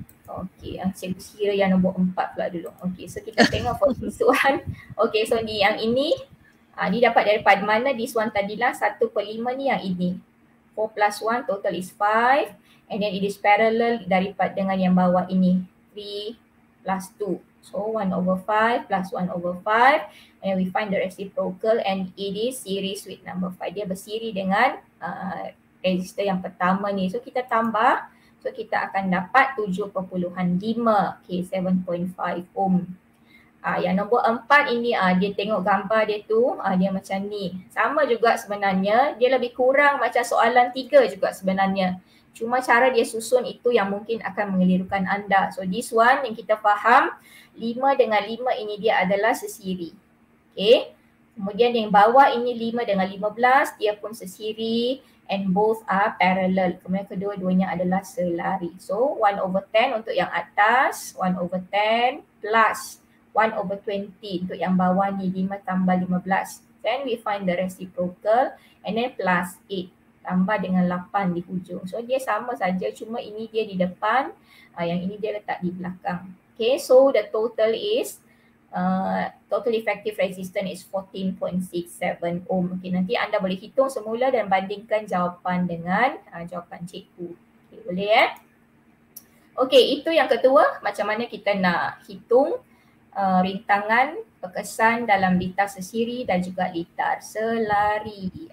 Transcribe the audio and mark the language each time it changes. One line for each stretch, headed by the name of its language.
Malay: Okay, yang saya kira yang number 4 pula dulu. Okay, so kita tengok for this one. Okay, so ni yang ini ni dapat daripada mana this one tadilah.
English: 1.5
Malay: ni yang ini.
English: 4 plus 1 total is 5. And then it is parallel
Malay: daripada dengan yang bawah ini.
English: 3 plus 2. So 1 over 5 plus 1 over 5. And we find the reciprocal and it is series with number 5.
Malay: Dia bersiri dengan resistor yang pertama ni. So kita tambah. So kita akan dapat 7.5. Okay, 7.5 ohm. Yang nombor 4 ini dia tengok gambar dia tu. Dia macam ni. Sama juga sebenarnya. Dia lebih kurang macam soalan 3 juga sebenarnya. Cuma cara dia susun itu yang mungkin akan mengelirukan anda. So this one yang kita faham, 5 dengan 5 ini dia adalah sesiri. Okay. Kemudian yang bawah ini 5 dengan 15, dia pun sesiri
English: and both are parallel.
Malay: Kemudian kedua-duanya adalah selari. So 1 over 10 untuk yang atas, 1 over 10 plus 1 over 20 untuk yang bawah ni, 5 tambah 15.
English: Then we find the reciprocal and then plus 8
Malay: tambah dengan 8 di hujung. So dia sama saja, cuma ini dia di depan, yang ini dia letak di belakang.
English: Okay, so the total is total effective resistance is 14.67 ohm.
Malay: Okay, nanti anda boleh hitung semula dan bandingkan jawapan dengan jawapan cikgu. Okay, boleh eh? Okay, itu yang kedua, macam mana kita nak hitung rintangan berkesan dalam litar sesiri dan juga litar selari.